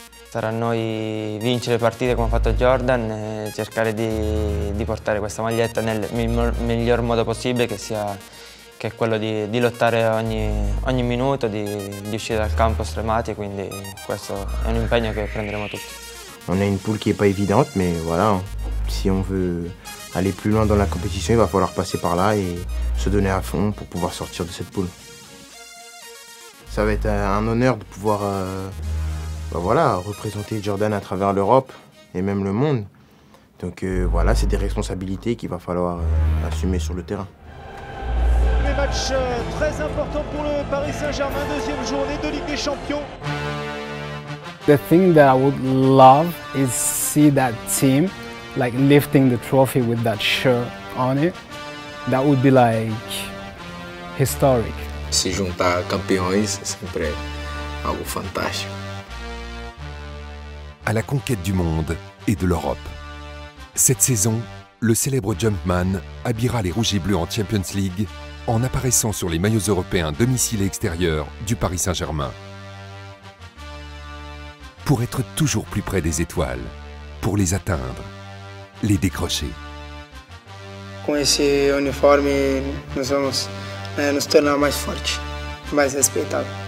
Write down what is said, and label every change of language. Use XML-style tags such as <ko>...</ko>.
<it>Sarà noi vincere le partite come ha fatto Jordan e cercare di portare questa maglietta nel miglior modo possibile, che è quello di lottare ogni minuto, di uscire dal campo stremati, quindi questo è un impegno che prenderemo tutti.</it> <fr>On a une poule qui est pas évidente, mais voilà, si on veut aller plus loin dans la compétition, il va falloir passer par là et se donner à fond pour pouvoir sortir de cette poule. Ça va être un honneur de pouvoir voilà, représenter Jordan à travers l'Europe et même le monde. Donc voilà, c'est des responsabilités qu'il va falloir assumer sur le terrain. Premier match très important pour le Paris Saint-Germain, deuxième journée de Ligue des Champions.</fr> <en>The thing that I would love is see that team like lifting the trophy with that shirt on it. That would be like historic.</en> <pt>Se juntar campeões é sempre algo fantástico.</pt> <fr>À la conquête du monde et de l'Europe. Cette saison, le célèbre Jumpman habillera les rouges et bleus en Champions League en apparaissant sur les maillots européens domicile et extérieur du Paris Saint-Germain. Pour être toujours plus près des étoiles, pour les atteindre, les décrocher.</fr> <pt>Com esse uniforme, nós vamos nos tornar mais fortes, mais respeitados.</pt>